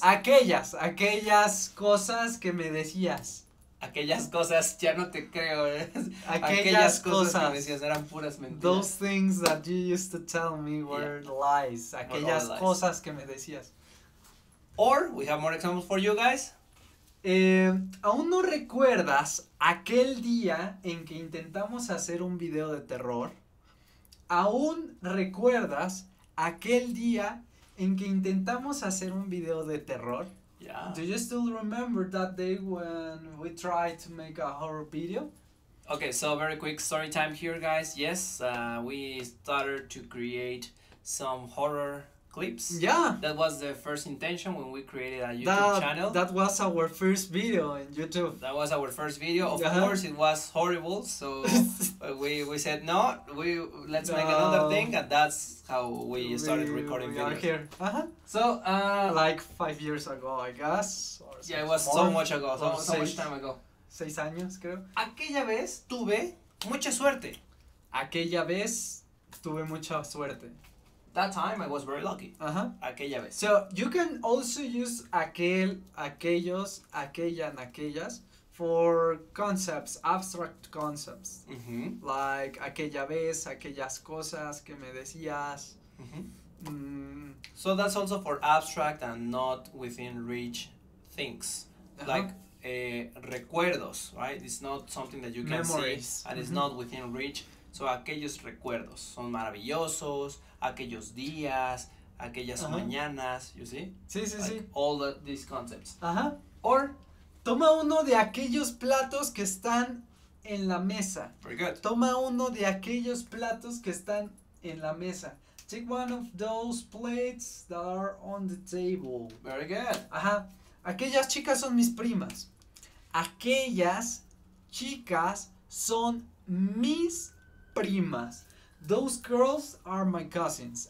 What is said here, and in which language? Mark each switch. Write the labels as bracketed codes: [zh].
[es] Aquellas, aquellas cosas que me decías. Aquellas cosas, ya no te creo. Aquellas cosas que decías eran puras mentiras. [en] Those things that you used to tell me were yeah. lies. [es] Aquellas lies. Cosas que me decías. [en] Or, we have more examples for you guys. [es] ¿Aún no recuerdas aquel día en que intentamos hacer un video de terror? ¿Aún recuerdas aquel día en que intentamos hacer un video de terror? [en] Yeah. Do you still remember that day when we tried to make a horror video? Okay, so very quick story time here, guys. Yes, we started to create some horror clips. Yeah. That was the first intention when we created a YouTube channel. That was our first video in YouTube. That was our first video. Of uh-huh. course, it was horrible. So we said, no, let's make another thing. And that's how we started recording videos. We are here. Uh-huh. So, like 5 years ago, I guess. Or yeah, it was so much ago. So much time ago. [es] 6 años, creo. Aquella vez tuve mucha suerte. Aquella vez tuve mucha suerte. [en] That time I was very lucky. Uh-huh. [es] Aquella vez. [en] So you can also use aquel, aquellos, aquella, and aquellas for concepts, abstract concepts. Mm-hmm. Like [es] aquella vez, aquellas cosas que me decías. Mm-hmm. Mm. [en] So that's also for abstract and not within reach things. Uh-huh. Like recuerdos, right? It's not something that you can memories. See and mm-hmm. it's not within reach. So [es] aquellos recuerdos son maravillosos. Aquellos días, aquellas uh-huh. mañanas, [en] you see? [es] Sí, sí, [en] like [es] sí. [en] All these concepts. Uh-huh. Or, [es] toma uno de aquellos platos que están en la mesa. [en] Very good. [es] Toma uno de aquellos platos que están en la mesa. [en] Take one of those plates that are on the table. Very good. [es] Ajá. Uh-huh. Aquellas chicas son mis primas. Aquellas chicas son mis primas. [en] Those girls are my cousins.